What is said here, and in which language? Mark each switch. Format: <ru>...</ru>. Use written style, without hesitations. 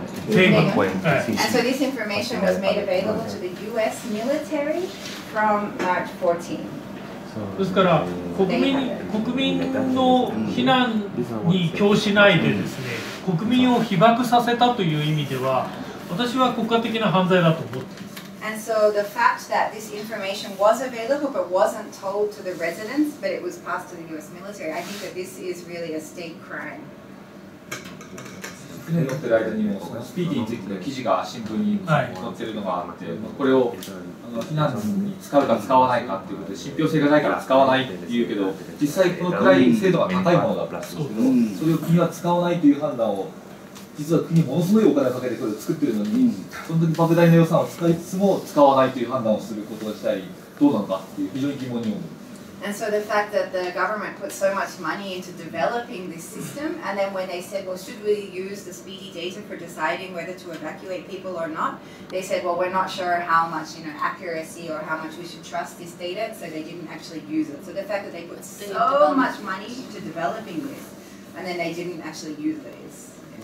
<en>And so this information was made available to the U.S. military from March 14th.</en> <ja>ですから国民の避難に供しないでですね、国民を被爆させたという意味では、私は国家的な犯罪だと思っています。</ja> <en>And so the fact that this information was available but wasn't told to the residents, but it was passed to the U.S. military, I think that this is really a state crime.</en> <ja>乗ってる間にもそのスピーディーについての記事が新聞に載ってるのがあって、はい、これをあの避難に使うか使わないかっていうことで信憑性がないから使わないって言うけど、実際このくらい精度が高いものだったんですけど、それを国は使わないという判断を実は国ものすごいお金をかけてそれを作ってるのに、その時莫大な予算を使いつつも使わないという判断をすることが自体どうなのかっていう非常に疑問に思う。</ja> <en>And so the fact that the government put so much money into developing this system, and then when they said, well, should we use the speedy data for deciding whether to evacuate people or not, they said, well, we're not sure how much, you know, accuracy or how much we should trust this data, so they didn't actually use it. So the fact that they put so much money into developing this, and then they didn't actually use it is...</en>